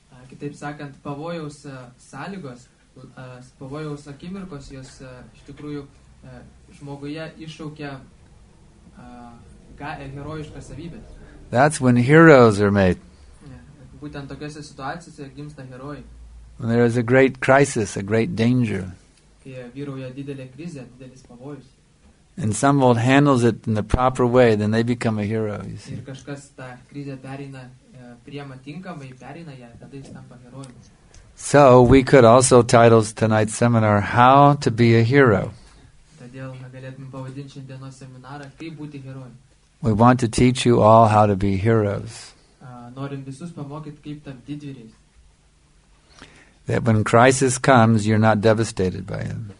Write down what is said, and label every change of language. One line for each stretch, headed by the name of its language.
Lithuanian: Kitaip sakant, pavojaus sąlygos, pavojaus akimirkos, jos iš tikrųjų žmoguje iššaukia herojiškas savybės.
English: That's when heroes are made.
Lithuanian: Būtent tokiose situacijose gimsta herojai.
English: When there is a great crisis, a great danger.
Lithuanian: Kai vyrauja didelė krizė, didelis pavojus.
English: And someone handles it in the proper way, then they become a hero, you see.
Lithuanian: Ir kažkas tą krizę perina, priima tinkamai, perina ją, tada jis tampa herojumi.
English: So we could also title tonight's seminar How to Be a Hero.
Lithuanian: Todėl galėtume pavadinti šiandienos seminarą Kaip būti herojumi.
English: We want to teach you all how to be heroes.
Lithuanian: Norim visus pamokyti kaip tapti didvyriais.
English: That when crisis comes, you're not devastated by it.